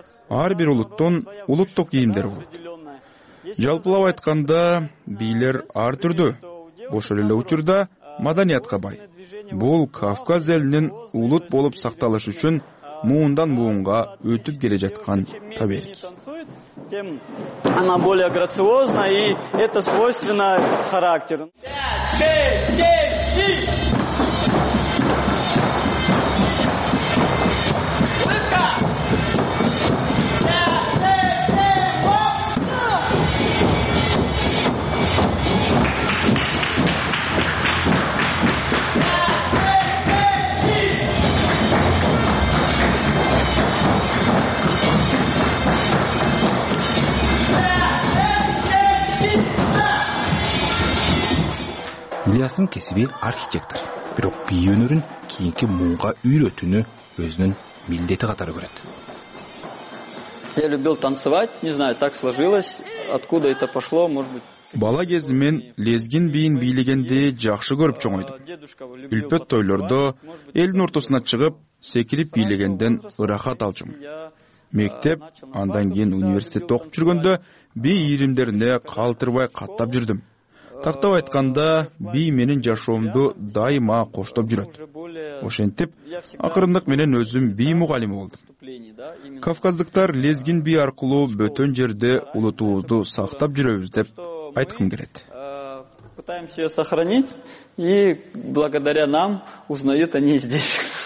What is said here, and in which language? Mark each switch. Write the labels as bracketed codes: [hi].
[ky] Ар бир улуттун улуттук кийимдери болот. Жалпылап айтканда бийлер ар түрдүү. Ошол эле учурда маданиятка бай. Бул Кавказ элинин улут болуп сакталышы үчүн муундан муунга өтүп келе жаткан табиет. [ru] Тем она более грациозна и это свойственно характеру. 5, 6, 7, 7. [ky] Ильястын кесиби архитектор, бирок бий өнөрүн кийинки муунга үйрөтүүнү өзүнүн милдети катары көрөт. [ru] Я любил танцевать, не знаю, так сложилось, откуда это пошло, может быть. [ky] Бала кезимен лезгин бийин бийлегенди жакшы көрүп чоңойдум. Үлпөт тойлордо элдин ортосуна чыгып, секирип бийлегенден ырахат алчумун. Мектеп, андан кийин университетте окуп жүргөндө бий ийримдерине калтырбай каттап жүрдүм. Тактап айтканда, бий менин жашоомду дайыма коштоп жүрөт. Ошентип, акырындык менен өзүм бий мугалими болдум. Кавказдыктар лезгин бий аркылуу бөтөн жерде улутубузду сактап жүрөбүз деп айткым келет. [ru] Пытаемся её сохранить, и благодаря нам узнают они здесь.